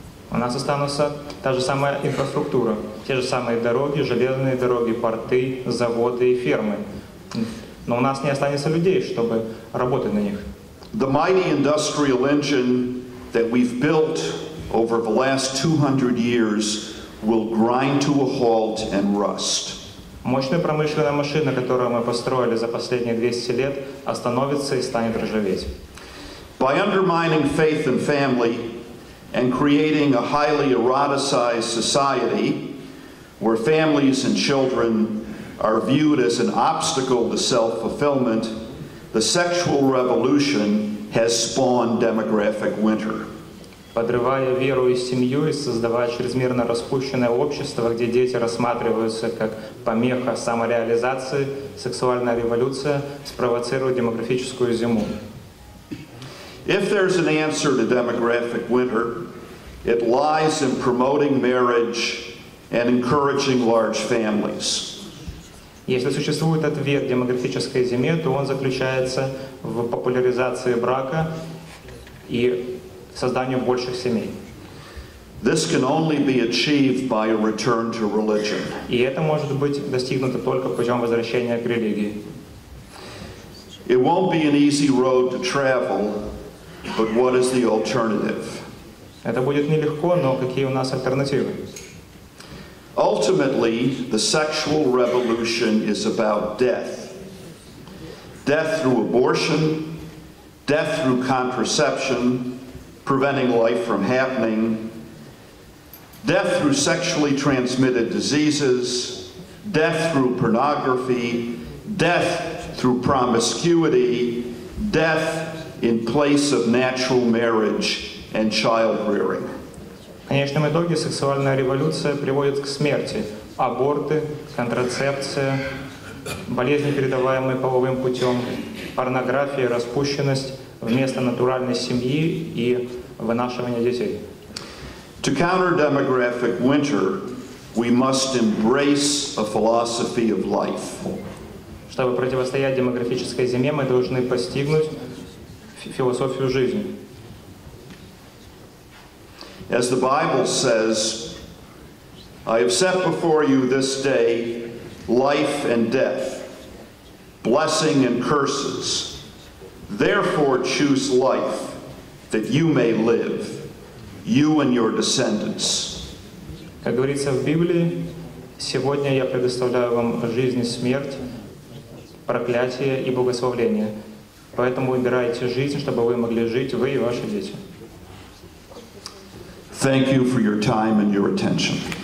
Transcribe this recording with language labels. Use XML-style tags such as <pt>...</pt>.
<ru>У нас останутся та же самая инфраструктура, те же самые дороги, железные дороги, порты, заводы и фермы. Но у нас не останется людей, чтобы работать на них.</ru> <en>The mighty industrial engine that we've built over the last 200 years will grind to a halt and rust.</en> <ru>Мощная промышленная машина, которую мы построили за последние 200 лет, остановится и станет ржаветь.</ru> <en>By undermining faith in family and creating a highly eroticized society where families and children are viewed as an obstacle to self-fulfillment, the sexual revolution has spawned demographic winter.</en> <ru>Подрывая веру и семью и создавая чрезмерно распущенное общество, где дети рассматриваются как помеха самореализации, сексуальная революция спровоцирует демографическую зиму.</ru> <en>If there's an answer to demographic winter, it lies in promoting marriage and encouraging large families.</en> <ru>Если существует ответ демографической зиме, то он заключается в популяризации брака и созданию больших семей.</ru> <en>This can only be achieved by a return to religion.</en> <ru>И это может быть достигнуто только путем возвращения к религии.</ru> <en>It won't be an easy road to travel, but what is the alternative?</en> <ru>Это будет нелегко, но какие у нас альтернативы?</ru> <en>Ultimately, the sexual revolution is about death. Death through abortion, death through contraception, preventing life from happening, death through sexually transmitted diseases, death through pornography, death through promiscuity, death in place of natural marriage and child rearing.</en> <ru>В конечном итоге сексуальная революция приводит к смерти. Аборты, контрацепция, болезни, передаваемые половым путем, порнография, распущенность вместо натуральной семьи и вынашивания детей.</ru> <en>To counter demographic winter, we must embrace a philosophy of life.</en> <ru>Чтобы противостоять демографической зиме, мы должны постигнуть философию жизни.</ru> <en>As the Bible says, I have set before you this day life and death, blessing and curses. Therefore choose life, that you may live, you and your descendants.</en> <ru>Как говорится в Библии, сегодня я предоставляю вам жизнь и смерть, проклятие и благословение. Поэтому выбирайте жизнь, чтобы вы могли жить, вы и ваши дети.</ru> <en>Thank you for your time and your attention.</en>